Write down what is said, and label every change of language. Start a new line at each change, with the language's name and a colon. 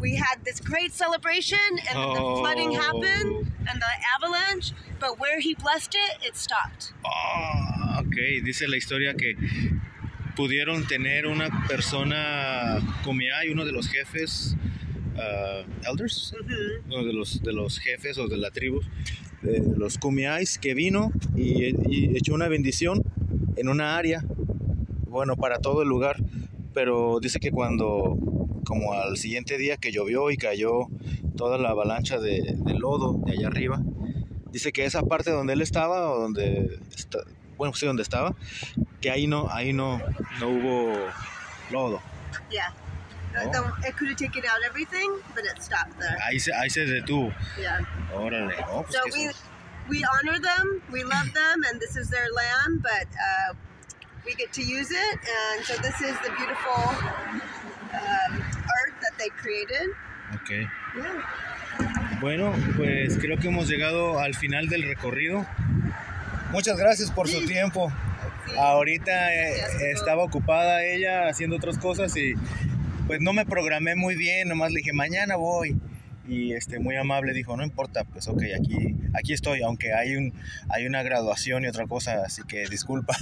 English: We had this great celebration and then the flooding happened and the avalanche, but where he blessed it, it stopped. Oh, okay.
Spanish: Dice la historia que pudieron tener una persona Kumeyaay, uno de los jefes, elders, mm-hmm. uno de los jefes o de la tribu, de los Kumeyaays, que vino y echó una bendición en una área, bueno, para todo el lugar, pero dice que cuando, como al siguiente día que llovió y cayó toda la avalancha de lodo de allá arriba, dice que esa parte donde él estaba, o donde, bueno, sí, donde estaba, que ahí no hubo lodo.
English: Yeah. Oh. It could have taken out everything, but it stopped there.
Spanish: Ahí se detuvo.
English: Yeah.
Spanish: Órale. Oh, pues
English: so we honor them, we love them, and this is their land, but we get to use it. And so this is the beautiful art that they created. Okay. Yeah.
Spanish: Bueno, pues creo que hemos llegado al final del recorrido. Muchas gracias por su tiempo. Sí. Ahorita estaba ocupada ella haciendo otras cosas y... Pues no me programé muy bien, nomás le dije, mañana voy. Y muy amable dijo, no importa, pues ok, aquí estoy, aunque hay una graduación y otra cosa, así que disculpa.